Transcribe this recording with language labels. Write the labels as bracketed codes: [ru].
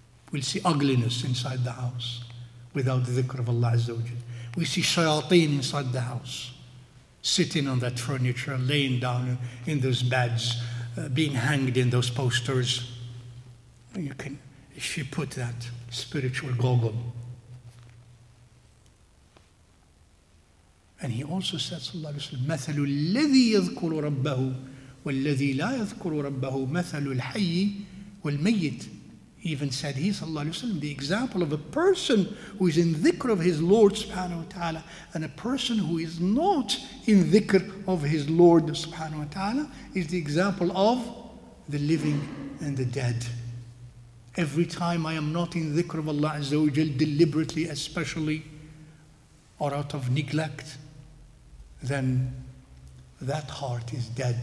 [en] We'll see ugliness inside the house without the dhikr of Allah Azza wa Jal. We see shayateen inside the house, sitting on that furniture, laying down in those beds, being hanged in those posters. You can, if you put that spiritual goggle. And he also says, [ar] Sallallahu Alaihi Wasallam, مَثَلُ الَّذِي يَذْكُرُ رَبَّهُ وَالَّذِي لَا يَذْكُرُ رَبَّهُ مَثَلُ الْحَيِّ وَالْمَيِّتِ. [en] Even said he, sallallahu alayhi wa sallam, the example of a person who is in dhikr of his Lord subhanahu wa ta'ala and a person who is not in dhikr of his Lord subhanahu wa ta'ala is the example of the living and the dead. Every time I am not in dhikr of Allah Azza wa Jal, deliberately, especially, or out of neglect, then that heart is dead.